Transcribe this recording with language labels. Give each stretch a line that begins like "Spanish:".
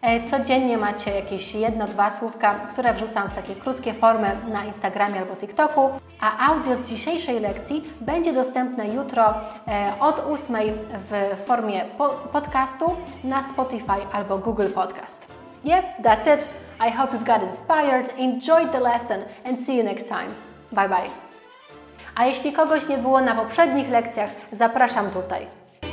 Polish: Codziennie macie jakieś 1-2 słówka, które wrzucam w takie krótkie formy na Instagramie albo TikToku. A audio z dzisiejszej lekcji będzie dostępne jutro od 8 w formie podcastu na Spotify albo Google Podcast.
English: Yep, that's it. I hope you've got inspired, enjoyed the lesson and see you next time.
Polish: Bye bye. A jeśli kogoś nie było na poprzednich lekcjach, zapraszam tutaj.